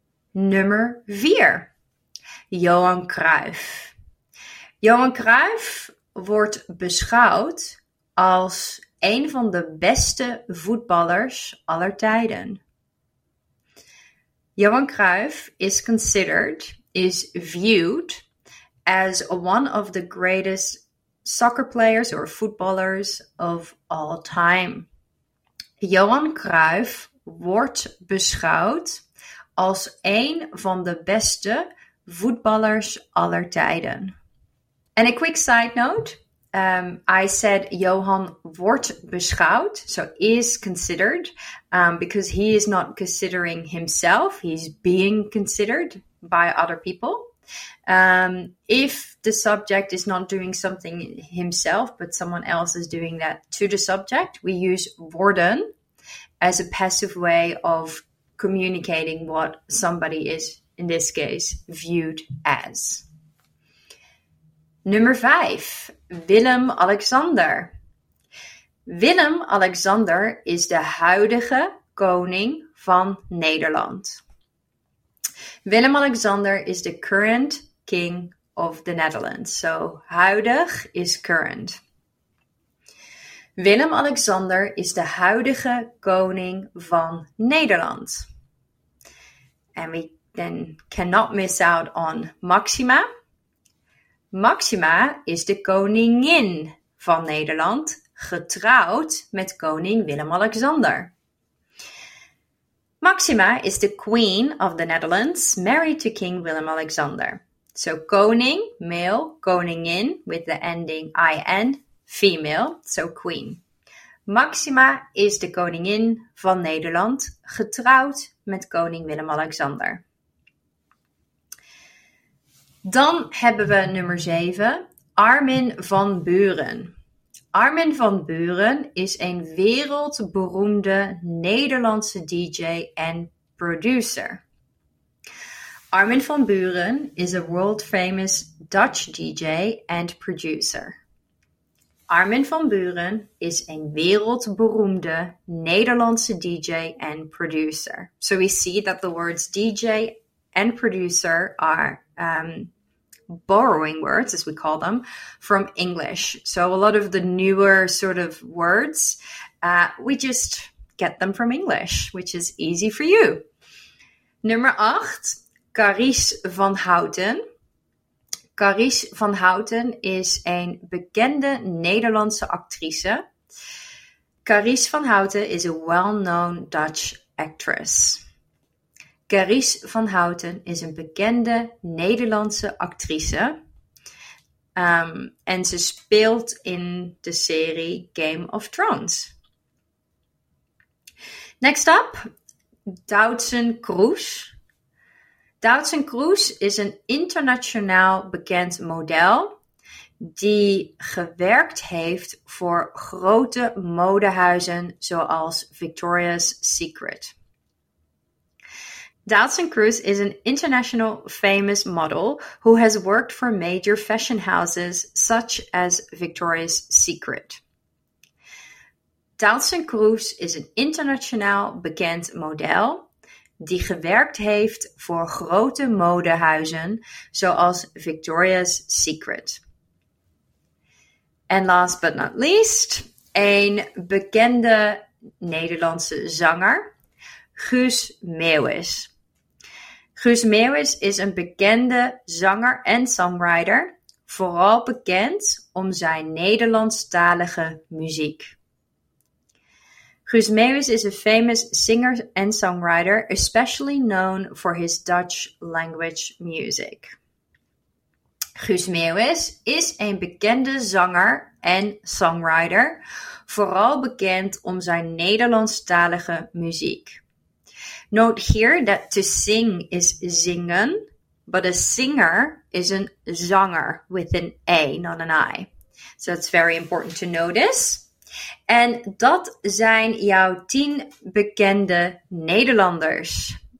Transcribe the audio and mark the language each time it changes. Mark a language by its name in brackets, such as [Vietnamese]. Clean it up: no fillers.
[Dutch] Nummer 4. Johan Cruijff. Johan Cruijff wordt beschouwd als een van de beste voetballers aller tijden. [English] Johan Cruijff is considered, is viewed as one of the greatest soccer players or footballers of all time. [Dutch] Johan Cruijff wordt beschouwd als een van de beste voetballers aller tijden. [English] And a quick side note, I said [Dutch] Johan wordt beschouwd, [English] so is considered, because he is not considering himself, he's being considered by other people. If the subject is not doing something himself, but someone else is doing that to the subject, we use worden as a passive way of communicating what somebody is, in this case, viewed as. [Dutch] Nummer 5, Willem-Alexander. Willem-Alexander is de huidige koning van Nederland. [English] Willem-Alexander is the current king of the Netherlands. So, huidig is current. [Dutch] Willem-Alexander is de huidige koning van Nederland. [English] And we then cannot miss out on Maxima. [Dutch] Maxima is de koningin van Nederland, getrouwd met koning Willem-Alexander. [English] Maxima is the queen of the Netherlands, married to King Willem-Alexander. So koning, male, koningin, with the ending IN, female, so queen. [Dutch] Maxima is de koningin van Nederland, getrouwd met koning Willem-Alexander. Dan hebben we nummer 7, Armin van Buuren. Armin van Buuren is een wereldberoemde Nederlandse DJ en producer. [English] Armin van Buuren is a world famous Dutch DJ and producer. [Dutch] Armin van Buuren is een wereldberoemde Nederlandse DJ and producer. [English] So we see that the words DJ and producer are borrowing words, as we call them, from English. So a lot of the newer sort of words, we just get them from English, which is easy for you. Number 8, Carice van Houten. [Dutch] Carice van Houten is een bekende Nederlandse actrice. [English] Carice van Houten is a well-known Dutch actress. [Dutch] Carice van Houten is een bekende Nederlandse actrice. En ze speelt in de serie Game of Thrones. [English] Next up, [Dutch] Doutzen Kroes. Doutzen Kroes is een internationaal bekend model die gewerkt heeft voor grote modehuizen zoals Victoria's Secret. [English] Doutzen Kroes is an international famous model who has worked for major fashion houses such as Victoria's Secret. [Dutch] Doutzen Kroes is een internationaal bekend model die gewerkt heeft voor grote modehuizen zoals Victoria's Secret. En [English] last but not least, [Dutch] een bekende Nederlandse zanger, Guus Meeuwis. Guus Meeuwis is een bekende zanger en songwriter, vooral bekend om zijn Nederlandstalige muziek. [English] Guus Meeuwis is a famous singer and songwriter, especially known for his Dutch language music. [Dutch] Guus Meeuwis is een bekende zanger en songwriter, vooral bekend om zijn Nederlandstalige muziek. [English] Note here that to sing is zingen, but a singer is a zanger with an A, not an I. So it's very important to notice. [Dutch] En dat zijn jouw 10 bekende Nederlanders.